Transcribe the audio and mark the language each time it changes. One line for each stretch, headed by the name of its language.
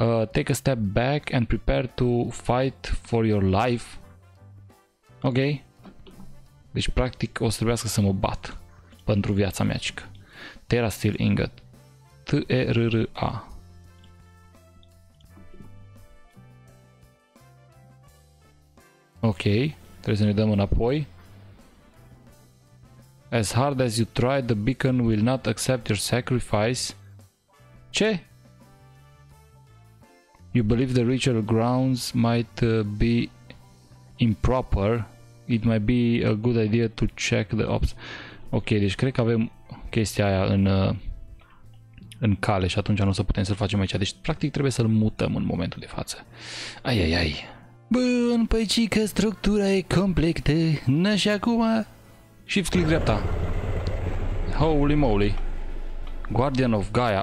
English: Take a step back and prepare to fight for your life. Ok.
Romanian: Deci, practic, o să trebuiască să mă bat pentru viața mea, cică. Terastil ingot. T-E-R-R-A. Ok, trebuie să ne dăm înapoi.
English: As hard as you try, the beacon will not accept your sacrifice. Ce? You believe the ritual grounds might be improper. It might be a good idea to check the ops.
Romanian: Ok, deci cred că avem chestia aia în cale și atunci nu o să putem să-l facem aici. Deci, practic, trebuie să-l mutăm în momentul de față. Ai, ai, ai. Bun, păi ci că structura e complexă. Nu și acum... Shift click dreapta.
English: Holy moly.
Romanian: Guardian of Gaia.